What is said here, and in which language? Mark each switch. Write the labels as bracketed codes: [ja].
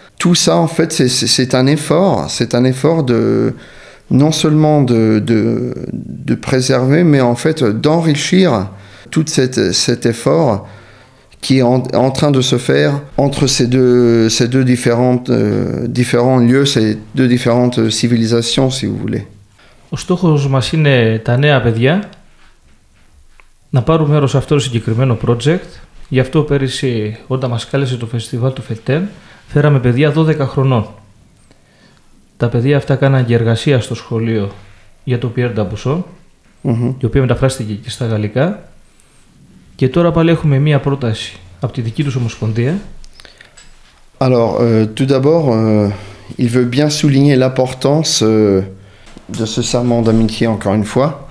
[fr] Tout ça, en fait, c'est un effort de non seulement de préserver, mais en fait d'enrichir tout cet effort qui est en train de se faire entre ces deux différents lieux, ces deux différentes civilisations, si vous voulez. [el] Ο στόχος μας είναι τα νέα παιδιά. Να πάρουν μέρος σε αυτό το συγκεκριμένο project. Γι' αυτό πέρυσι, όταν μας κάλεσε το φεστιβάλ του ΦΕΤΕΝ, φέραμε παιδιά 12 χρονών. Τα παιδιά αυτά κάναν και εργασία στο σχολείο για το Pierre d'Abusson, η οποία μεταφράστηκε και στα γαλλικά. Και τώρα πάλι έχουμε μία πρόταση από τη δική τους ομοσπονδία. [fr] Alors, tout d'abord, il veut bien souligner l'importance de ce serment d'amitié, encore une fois.